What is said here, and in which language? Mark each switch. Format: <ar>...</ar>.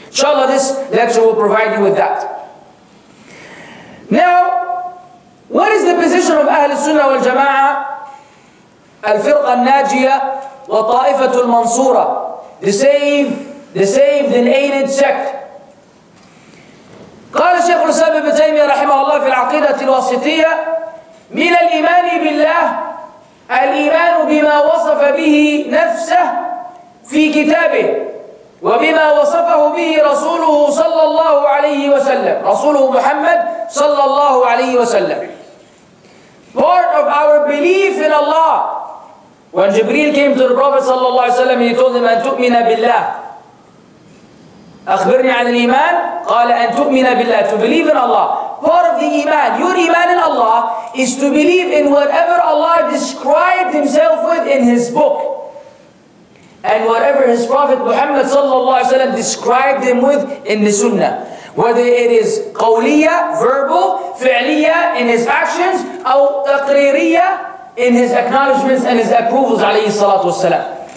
<en>Inshallah, this lecture will provide you with that. Now, what is the position of Ahl Sunnah wal Jama'ah, Al-Firqa Al-Najiya wa Ta'ifatul Al-Mansura, the saved and aided sect?</en> <ar>قال الشيخ الإسلام ابن تيمية رحمه الله في العقيدة الواسطية من الإيمان بالله الإيمان بما وصف به نفسه في كتابه وبما وصفه به رسوله صلى الله عليه وسلم رسوله محمد صلى الله عليه وسلم.</ar> <en>Part of our belief in Allah. When Jibreel came to the Prophet صلى الله عليه وسلم, he told him</en> <ar>أن تؤمن بالله. أخبرني عن الإيمان قال أن تؤمن بالله.</ar> <en>To believe in Allah. Part of the iman, your iman in Allah, is to believe in whatever Allah described Himself with in His book. and whatever his Prophet Muhammad sallallahu alaihi wasallam described him with in the Sunnah. Whether it is qawliya, verbal, fi'liya in his actions, or taqririya in his acknowledgments and his approvals alayhi salatu wasalam.</en>